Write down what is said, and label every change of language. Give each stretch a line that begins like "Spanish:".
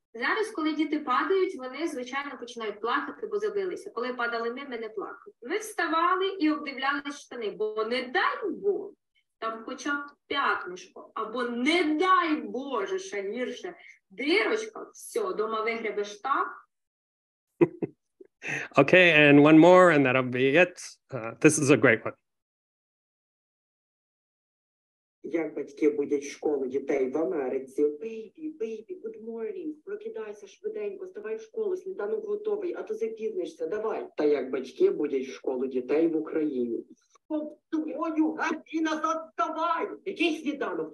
Ukrainian: Зараз, коли діти падають, вони, звичайно, починають плакати, бо забилися. Коли падали ми не плакали. Ми вставали і обдивляли штани, бо не дай Бог, там хоча б п'ятнишко, або не дай Боже, ще гірше, дірочка, все, дома вигребеш так.
English: Okay, and one more, and that'll be it. This is a great one.
Ukrainian: Як батьки будять школу дітей в Америці? Бейбі, бейбі,
English: good morning,
Ukrainian: прокидайся швиденько, ставай в школу, сніданок готовий, а то запізнишся, давай. Та як батьки будять школу дітей в Україні? Хоп, твою гаді назад, давай! Який сніданок?